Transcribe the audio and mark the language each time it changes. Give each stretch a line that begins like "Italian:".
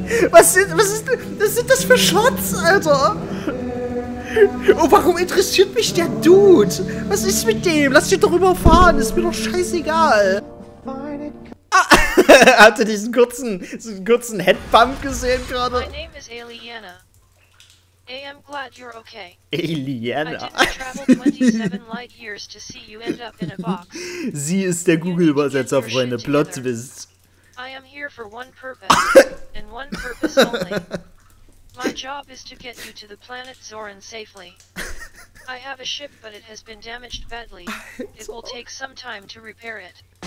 German: Was sind das für Shots, Alter? Oh, warum interessiert mich der Dude? Was ist mit dem? Lass dich doch überfahren, ist mir doch scheißegal. Hat er diesen kurzen Headbump gesehen gerade?
English: My name is Aliena. I'm glad you're okay. Aliena. I didn't travel 27 light years to see you end up in a box.
German: Sie ist der Google-Übersetzer, Freunde.
English: Plot twist. I am here for one purpose. And one purpose only. My job is to get you to the planet Zoran safely. I have a ship, but it has been damaged badly. It will take some time to repair it.